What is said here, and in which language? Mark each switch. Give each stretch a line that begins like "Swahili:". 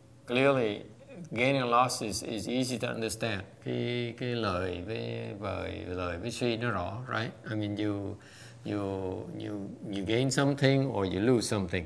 English: Clearly, gain and loss is easy to understand.
Vietnamese: Cái lời với suy nó rõ, right?
English: I mean, you gain something or you lose something.